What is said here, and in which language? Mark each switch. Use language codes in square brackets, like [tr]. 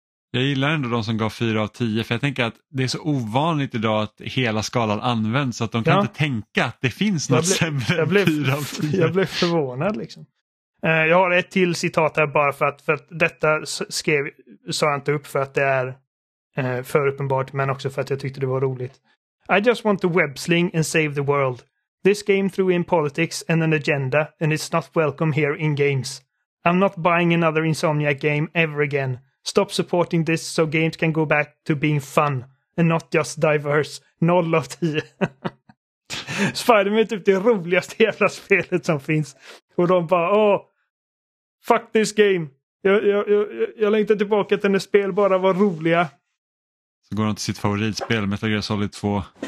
[sv] Jag gillar ändå de som gav 4 av 10, för jag tänker att det är så ovanligt idag att hela skalan används så att de kan inte tänka att det finns något sämre än 4 av 10. Jag blev förvånad liksom. Jag har ett till citat här bara för att detta skrev, sa jag inte upp för att det är för uppenbart, men också för att jag tyckte det var roligt. [en] I just want to web-sling and save the world. This game threw in politics and an agenda and it's not welcome here in games. I'm not buying another Insomniac game ever again. Stop supporting this so games can go back to being fun and not just diverse. [sv] 0 av 10. Spider-Man är typ det roligaste jävla spelet som finns. Och de bara, åh, [en] fuck this game. [sv] Jag längtar tillbaka till när spel bara var roliga. Så går de till sitt favoritspel, Metal Gear Solid 2.